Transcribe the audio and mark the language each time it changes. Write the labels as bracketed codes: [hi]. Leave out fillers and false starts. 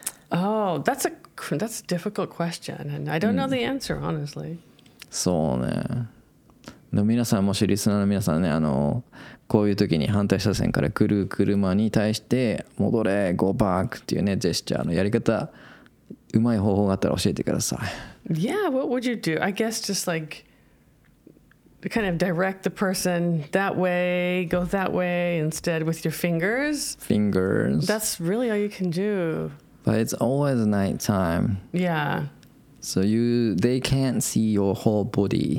[en] Oh, that's a difficult question, and I don't know the answer honestly. [ja] そうね。の皆さん、もしリスナーの皆さんね、あのこういう時に反対車線から来る車に対して戻れ、 [en] go back [ja] っていうねジェスチャーのやり方、うまい方法があったら教えてください。 [en] Yeah, what would you do? I guess just like kind of direct the person that way, go that way instead with your fingers. Fingers. That's really all you can do. But it's always night time. Yeah. So you, they can't see your whole body.